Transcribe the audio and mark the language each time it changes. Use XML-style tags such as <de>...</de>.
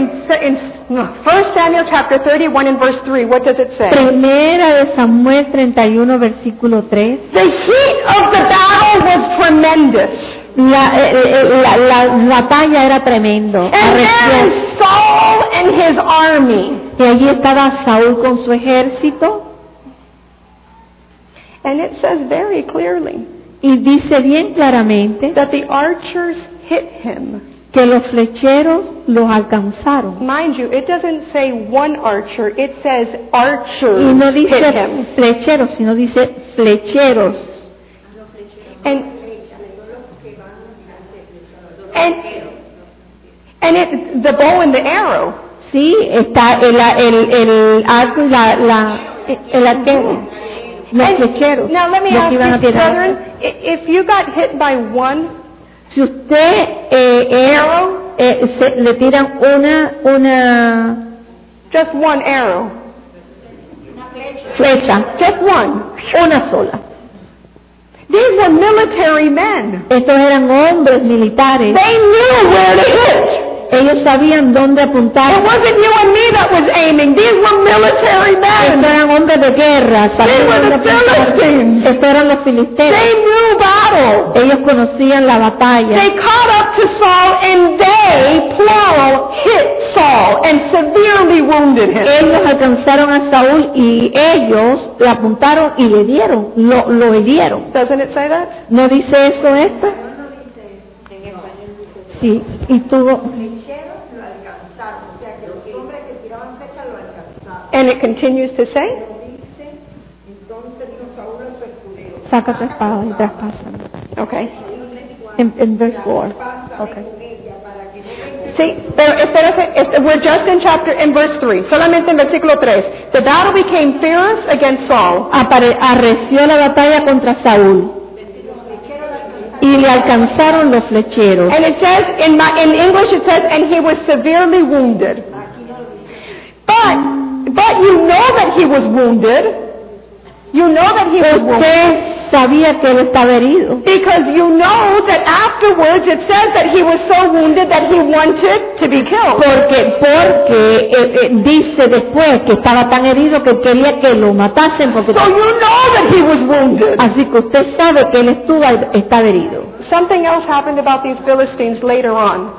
<en>In 1 Samuel chapter 31 and verse 3, what does it say?</en> <es>Primera de Samuel 31, versículo 3.</es> <en>The heat of the battle was tremendous.</en> <es>La batalla era tremendo.</es> <en>Saul and his army.</en> <es>Y allí estaba Saúl con su ejército.</es> <en>And it says very clearly.</en> <es>Y dice bien claramente.</es> <en>That the archers hit him.</en> <es>Que los flecheros los alcanzaron.</es> <en>Mind you, it doesn't say one archer. It says archers hit</en> <es>him. Y no dice flecheros, sino dice flecheros.</es> <en>And it, the bow and the arrow.</en> <es>Sí, está el arco y el arquero. Los flecheros.</es> <en>Now let me ask you, brethren, if you got hit by one,</en> <es>si usted</es> <en>arrow,</en> <es>se le tiran una</es> <en>just one arrow,</en> <es>flecha,</es> <en>just one,</en> <es>una sola.</es> <en>These were military men.</en> <es>Estos eran hombres militares.</es> <en>They knew where to hit.</en> <es>Ellos sabían dónde apuntar.</es> <en>It wasn't you and me that was aiming. These were military men.</en> <es>Estos eran hombres de guerra.</es> <en>They were the Philistines.</en> <es>Estos eran los filisteos.</es> <en>They knew battle.</en> <es>Ellos conocían la batalla.</es> <en>They caught up to Saul and they, plural, hit Saul and severely wounded him.</en> <es>Ellos alcanzaron a Saúl y ellos le apuntaron y le dieron. Lo hirieron.</es> <en>Doesn't it say that?</en> <es>¿No dice eso esto? Sí, y tuvo.</es> <en>And it continues to say.</en> <es>Saca tu espada y traspasa.</es> <en>Okay. In verse 4. Okay.</en> <es>Sí, pero espérate,</es> <en>we're just in chapter, in verse 3.</en> <es>Solamente en versículo 3.</es> <en>The battle became fierce against Saul.</en> <es>Arreció la batalla contra Saúl. Y le alcanzaron los flecheros.</es> <en>And it says in English it says and he was severely wounded. But you know that he was wounded. You know that he was wounded.</en> <es>sabía que él estaba herido.</es> <en>Because you know that afterwards it says that he was so wounded that he wanted to be killed.</en> <es>Porque dice después que estaba tan herido que quería que lo matasen porque.</es> <en>So you know that he was wounded.</en> <es>Así que usted sabe que él estaba herido.</es> <en>Something else happened about these Philistines later on.</en>